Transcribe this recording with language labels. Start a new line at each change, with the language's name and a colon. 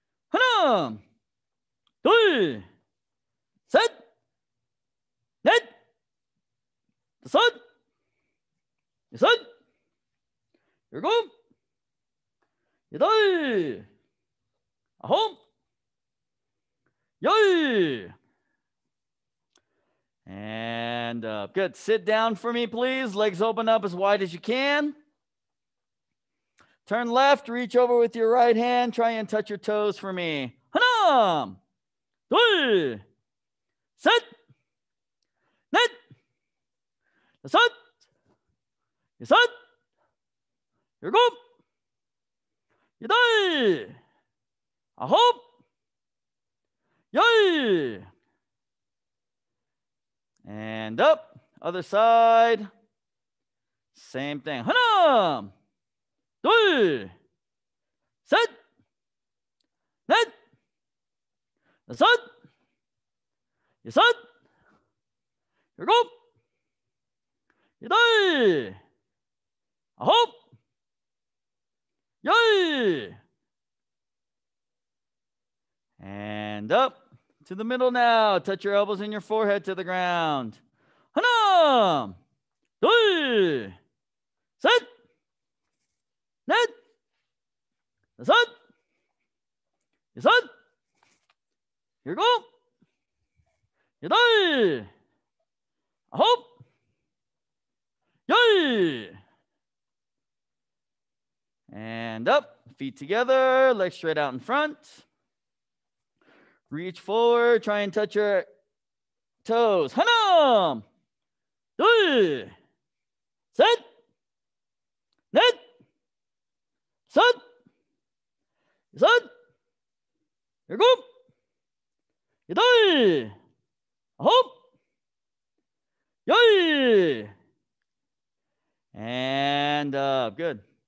Korean: 하나, 둘, 셋, 넷, 다섯, 여섯, 일곱, 여덟, 아홉, 열.
English: And up. Good. Sit down for me, please. Legs open up as wide as you can. Turn left. Reach over with your right hand. Try and touch your toes for me.
Korean: 하나, 둘, 셋, 넷, 다섯, 여섯, 일곱, 여덟, 아홉, 열.
English: And up, other side, same thing.
Korean: 하나, 둘, 셋, 넷, 다섯, 여섯, 일곱, 여덟, 아홉, 열.
English: And up. To the middle now. Touch your elbows and your forehead to the ground.
Korean: 하나, 둘, 셋, 넷, 다섯, 여섯, 일곱, 여덟, 아홉, 열.
English: And up, feet together, legs straight out in front. Reach forward, try and touch your toes.
Korean: 하나, 둘, 셋, 넷, 다섯, 여섯, 일곱, 여덟, 아홉, 열.
English: And up, good.